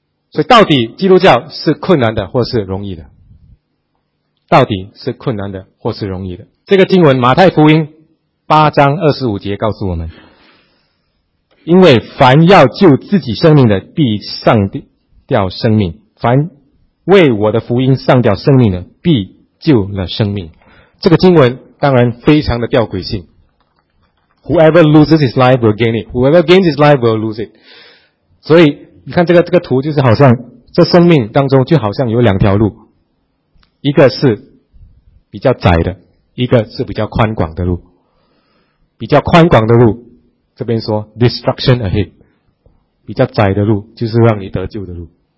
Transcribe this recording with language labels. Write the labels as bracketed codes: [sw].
[zh] 所以到底基督教是困难的或是容易的？到底是困难的或是容易的？这个经文马太福音8章25节告诉我们，因为凡要救自己生命的必丧掉生命，凡为我的福音丧掉生命的必救了生命。这个经文当然非常的吊诡性， [en] Whoever loses his life will gain it, Whoever gains his life will lose it。 [zh] 所以你看这个图，就是好像这生命当中就好像有两条路，一个是比较窄的，一个是比较宽广的路。比较宽广的路这边说 [en] destruction ahead, [zh] 比较窄的路就是让你得救的路。